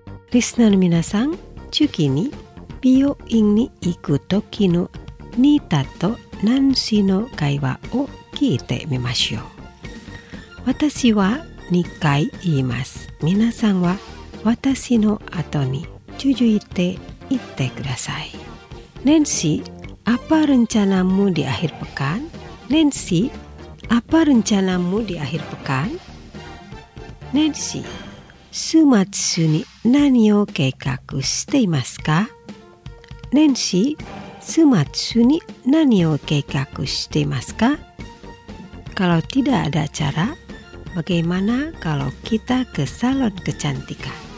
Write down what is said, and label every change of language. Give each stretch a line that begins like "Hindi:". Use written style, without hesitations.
Japanese: リスナーの皆さん、次に美容院に行くときのニータとナンシーの会話を聞いてみましょう。私は2回言います。皆さんは私の後に続いて言ってください。
Indonesian: ナンシー、apa rencanamu di akhir pekan? ナンシー、apa rencanamu di akhir pekan?
Japanese: ナンシー、週末に何を計画していますか？ナンシー、週末に何を計画していますか？
Indonesian: Kalau tidak ada acara, bagaimana kalau kita ke salon kecantikan?